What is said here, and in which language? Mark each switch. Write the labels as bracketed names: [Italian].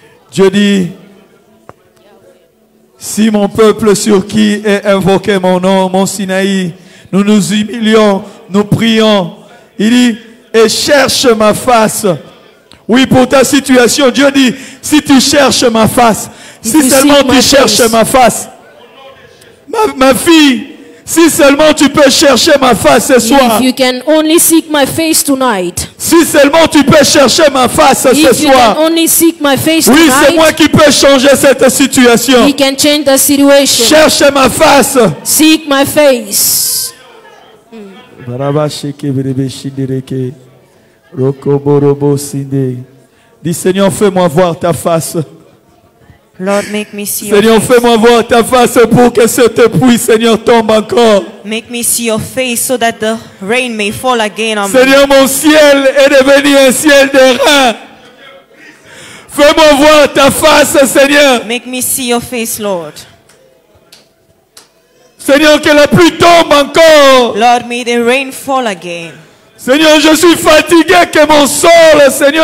[French] Dieu dit, si mon peuple sur qui est invoqué mon nom, mon Sinaï, nous nous humilions, nous prions. Il dit, et cherche ma face. Oui, pour ta situation, Dieu dit, si tu cherches ma face, si seulement tu cherches ma face, ma fille, si seulement tu peux chercher ma face ce soir. [English] If you can only seek my face tonight. [French] Si seulement tu peux chercher ma face [English] if [French] ce [English] you [French] soir. [English] Can only seek my face [French] oui, [English] tonight. [French] Oui, c'est moi qui peux changer cette situation. [English] He can change the situation. [French] Cherche ma face. [English] Seek my face. Baraba sheke berebe shindereke. Rokobo robo sinde. [French] Dis, Seigneur, fais-moi voir ta face. [English] Lord, make me see your [French] Seigneur, [English] face. [French] Fais-moi voir ta face pour que cette pluie, Seigneur, tombe encore. [English] Make me see your face so that the rain may fall again on me. [French] Seigneur, mon ciel est devenu un ciel de rein. Fais-moi voir ta face, Seigneur. [English] Make me see your face, Lord. [French] Seigneur, que la pluie tombe encore. [English] Lord, may the rain fall again. [French] Seigneur, je suis fatigué que mon sol, Seigneur,